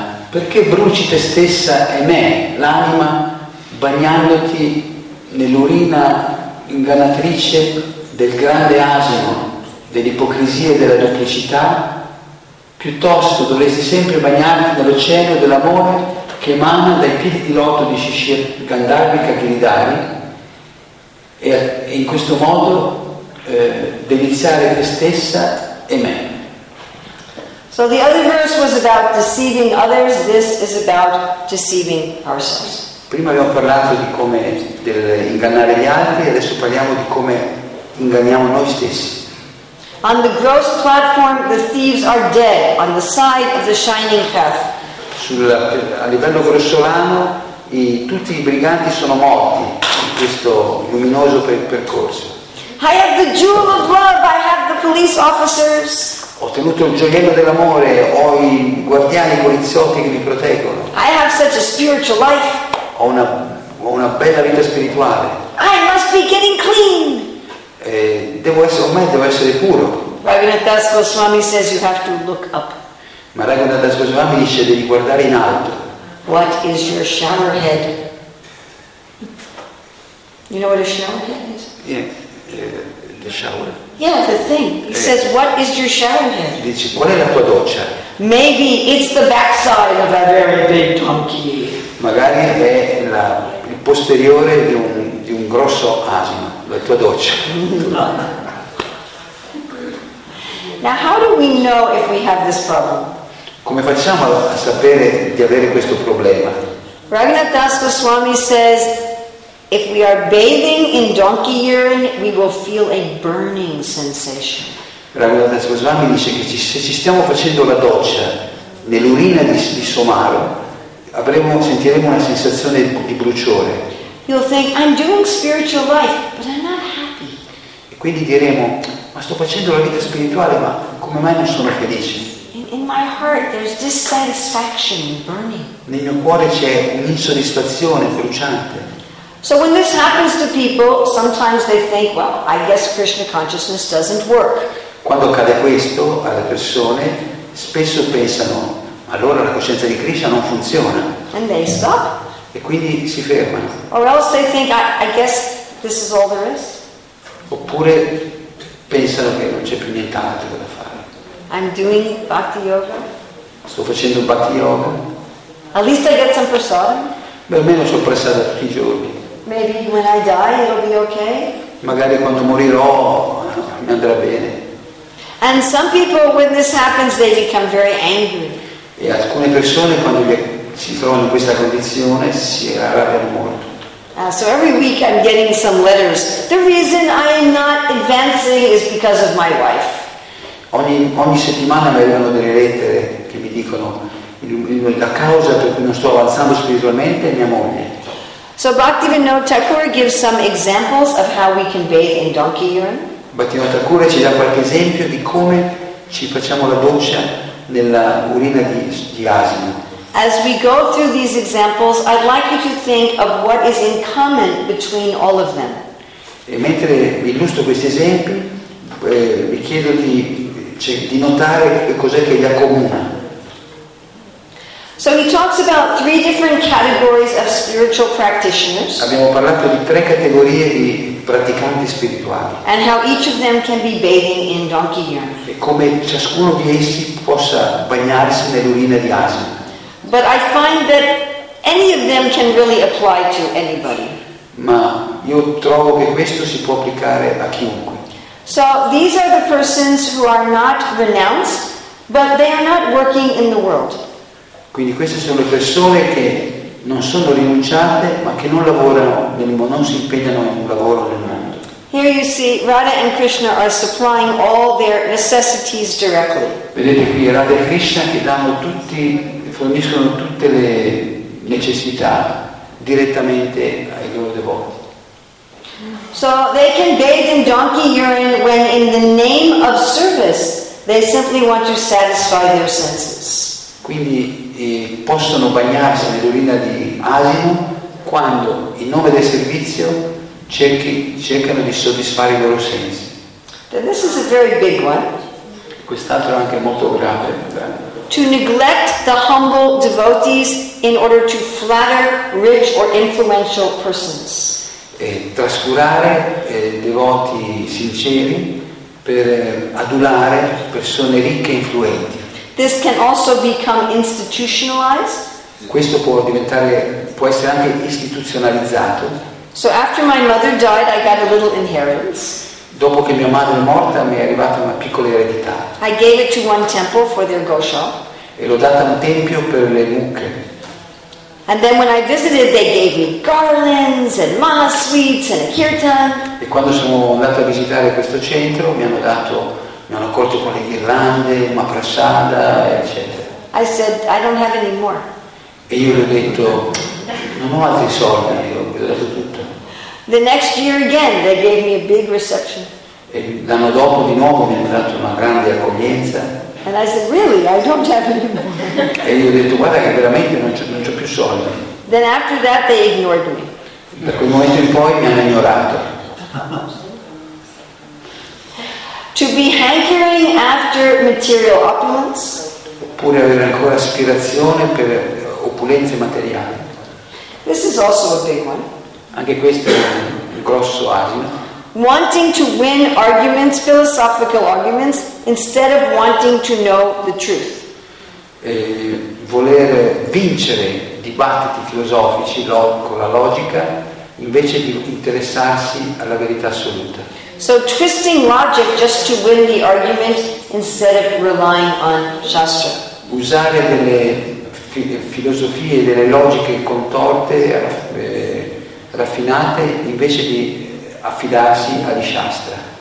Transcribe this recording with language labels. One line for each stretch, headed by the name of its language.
Italian: perché bruci te stessa e me, l'anima, bagnandoti nell'urina ingannatrice del grande asino, dell'ipocrisia e della duplicità? Piuttosto dovresti sempre bagnarti nell'oceano dell'amore che emana dai piedi di loto di Shishir Gandharvika Giridhari e in questo modo deliziare te stessa e me.
English: So the other verse was about deceiving others. This is about deceiving ourselves.
Italian: Prima abbiamo parlato di come ingannare gli altri, adesso parliamo di come inganniamo noi stessi.
English: On the gross platform, the thieves are dead on the side of the shining path.
Italian: A livello grossolano, tutti i briganti sono morti in questo luminoso percorso.
English: I have the jewel of love. I have the police officers.
Italian: Ho tenuto il gioiello dell'amore, ho i guardiani, i poliziotti che mi proteggono.
English: I have such a spiritual life.
Italian: Ho una bella vita spirituale.
English: I must be getting clean.
Italian: Devo essere puro.
English: Raghunath Das Goswami says you have to look up.
Italian: Ma Raghunath Das Goswami dice devi guardare in alto.
English: What is your shower head? You know what a shower head is? Yeah, the shower. Yeah, the thing. He says, what is your shower head?
Italian: Dice, qual è la tua doccia?
English: Maybe it's the backside of a very big donkey.
Italian: Magari è il posteriore di un grosso asino, la tua doccia.
English: Now, how do we know if we have this problem?
Italian: Come facciamo a sapere di avere questo problema?
English: Raghunath Das Goswami says, if we are bathing in donkey urine, we will feel a burning sensation.
Italian: Raghunath Das Goswami dice che se ci stiamo facendo la doccia nell'urina di somaro, sentiremo una sensazione di bruciore.
English: You'll think, I'm doing spiritual life, but I'm not happy.
Italian: E quindi diremo, ma sto facendo la vita spirituale, ma come mai non sono felice?
English: In my heart there's dissatisfaction burning.
Italian: Nel mio cuore c'è un'insoddisfazione bruciante.
English: So when this happens to people, sometimes they think, well, I guess Krishna consciousness doesn't work.
Italian: Quando accade questo alle persone, spesso pensano, allora la coscienza di Krishna non funziona.
English: And they stop.
Italian: E quindi si fermano.
English: Or else they think, I guess this is all there is.
Italian: Oppure pensano che non c'è più nient'altro da fare.
English: I'm doing bhakti yoga.
Italian: Sto facendo bhakti yoga.
English: At least I get some prasadam.
Italian: Beh, almeno sono prasada tutti i giorni.
English: Maybe when I die it'll be okay.
Italian: Magari quando morirò mi andrà bene.
English: And some people, when this happens, they become very angry.
Italian: E alcune persone quando si trovano in questa condizione si arrabbiano molto.
English: So every week I'm getting some letters. The reason I am not advancing is because of my wife.
Italian: Ogni settimana mi arrivano delle lettere che mi dicono la causa per cui non sto avanzando spiritualmente è mia moglie.
English: So Bhaktivinoda Thakura gives some examples of how we can bathe in donkey urine.
Italian: Bhaktivinoda Thakura ci dà qualche esempio di come ci facciamo la doccia nella urina di asino.
English: As we go through these examples, I'd like you to think of what is in common between all of them.
Italian: E mentre illustro questi esempi, vi chiedo di notare cos'è che li accomuna.
English: So he talks about three different categories of spiritual practitioners.
Italian: Abbiamo parlato di tre categorie di praticanti spirituali.
English: And how each of them can be bathing in donkey urine.
Italian: E come ciascuno di essi possa bagnarsi nell'urina di asino.
English: But I find that any of them can really apply to anybody.
Italian: Ma io trovo che questo si può applicare a chiunque.
English: So these are the persons who are not renounced, but they are not working in the world.
Italian: Quindi queste sono le persone che non sono rinunciate, ma che non lavorano, non si impegnano in un lavoro nel mondo.
English: Here you see Radha and Krishna are supplying all their necessities directly.
Italian: Vedete qui Radha e Krishna che danno tutti, forniscono tutte le necessità direttamente ai loro devoti.
English: So they can bathe in donkey urine when in the name of service they simply want to satisfy their senses.
Italian: Quindi possono bagnarsi nell'urina di asino quando in nome del servizio cercano di soddisfare i loro sensi.
English: Then this is a very big one.
Italian: Quest'altro è anche molto grave.
English: To neglect the humble devotees in order to flatter rich or influential persons.
Italian: E trascurare devoti sinceri per adulare persone ricche e influenti.
English: This can also become institutionalized.
Italian: Questo può essere anche istituzionalizzato.
English: So after my mother died, I got a little inheritance.
Italian: Dopo che mia madre è morta, mi è arrivata una piccola eredità.
English: I gave it to one temple for their gosha.
Italian: E l'ho data a un tempio per le mucche.
English: And then when I visited, they gave me garlands and mana sweets and a kirtan.
Italian: E quando sono andato a visitare questo centro, mi hanno accolto con le ghirlande, una prasada, eccetera.
English: I said, I don't have any more.
Italian: E io gli ho detto, non ho altri soldi, io gli ho dato tutto.
English: The next year again, they gave me a big reception.
Italian: E l'anno dopo di nuovo mi hanno dato una grande accoglienza.
English: And I said, really, I don't have any more.
Italian: E io gli ho detto, guarda che veramente non c'ho più soldi.
English: Then after that, they ignored me.
Italian: Da quel momento in poi mi hanno ignorato.
English: To be hankering after material opulence.
Italian: Oppure avere ancora aspirazione per opulenze materiali.
English: This is also a big one.
Italian: Anche questo è un grosso asino.
English: Wanting to win arguments, philosophical arguments, instead of wanting to know the truth.
Italian: Voler vincere dibattiti filosofici con la logica invece di interessarsi alla verità assoluta.
English: So twisting logic just to win the argument instead of relying on shastra.
Italian: Usare delle filosofie, delle logiche contorte, raffinate, invece di affidarsi agli shastra.